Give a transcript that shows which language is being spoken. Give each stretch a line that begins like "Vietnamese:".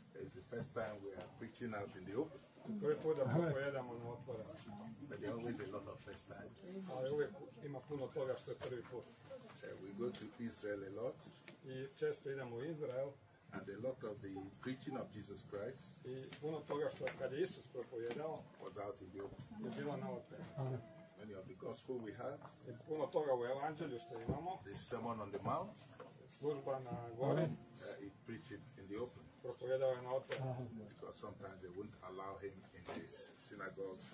English: It's the first time we are preaching out in the open.
Croatian: Prvi put da pojedamo na otvorenom.
English: But there always a lot of first times.
Croatian: Ali uvijek ima puno toga što je prvi put.
English: We go to Israel a lot.
Croatian: I često idemo u Izrael.
English: And a lot of the preaching of Jesus Christ.
Croatian: I puno toga što kad je Isus propovjedao.
English: Was out in the open.
Croatian: Je bilo na otvorenom.
English: Many of the gospel we have.
Croatian: I puno toga u evanđelju što imamo.
English: The Sermon on the Mount.
Croatian: Služba na gori.
English: He preached in the open.
Croatian: Propovjedao je na otvorenom.
English: Because sometimes they wouldn't allow him in his synagogues.